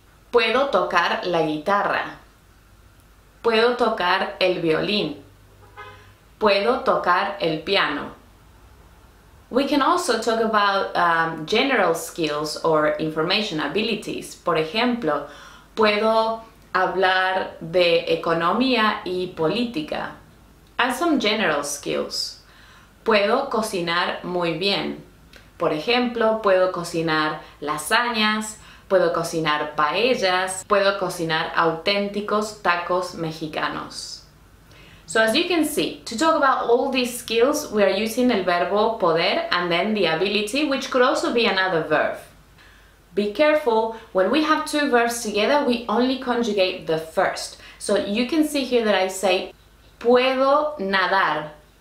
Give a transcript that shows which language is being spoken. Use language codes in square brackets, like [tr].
[es] Puedo tocar la guitarra. Puedo tocar el violín. Puedo tocar el piano. [en] We can also talk about general skills or information abilities. [es] Por ejemplo, puedo hablar de economía y política. [en] And some general skills. [es] Puedo cocinar muy bien. Por ejemplo, puedo cocinar lasañas, puedo cocinar paellas, puedo cocinar auténticos tacos mexicanos. [en] So as you can see, to talk about all these skills, we are using el verbo poder and then the ability, which could also be another verb. Be careful, when we have two verbs together, we only conjugate the first. So you can see here that I say, [es] puedo nadar.